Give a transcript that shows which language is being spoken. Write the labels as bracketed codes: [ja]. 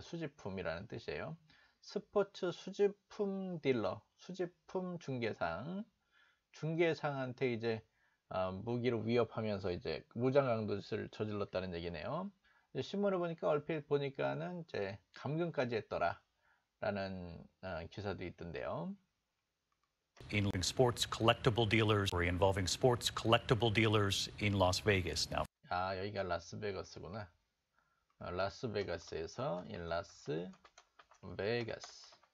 [ko] 수집품이라는 뜻이에요. Sports 수집품 딜러, 수집품 중개상. 중개상한테 이제 무기를 위협하면서 이제 무장 강도짓을 저질렀다는 얘기네요. 이제 신문을 보니까 얼핏 보니까는 이제 감금까지 했더라라는 기사도 있던데요. [en] Involving sports collectible dealers or involving sports collectible dealers in Las Vegas now. [ko] 아, 여기가 라스베가스구나. 라스베가스에서 [en] in Las Vegas.